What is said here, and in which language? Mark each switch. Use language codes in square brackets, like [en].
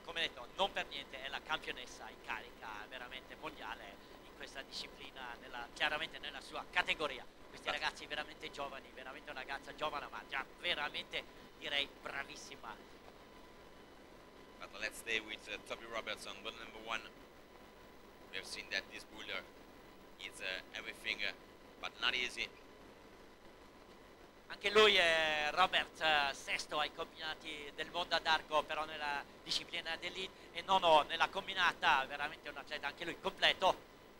[it] Come detto, non per niente è la campionessa in carica veramente mondiale in questa disciplina, chiaramente nella sua categoria. Questi ragazzi veramente giovani, veramente una ragazza giovane, ma già veramente, direi, bravissima. [en] But let's stay with Toby Roberts on boulder number 1. We have seen that this boulder is everything, but not easy. [it] Anche lui è Roberts, sesto ai combinati del mondo ad arco, però nella disciplina d'elite e nono nella combinata, veramente un atleta anche lui completo.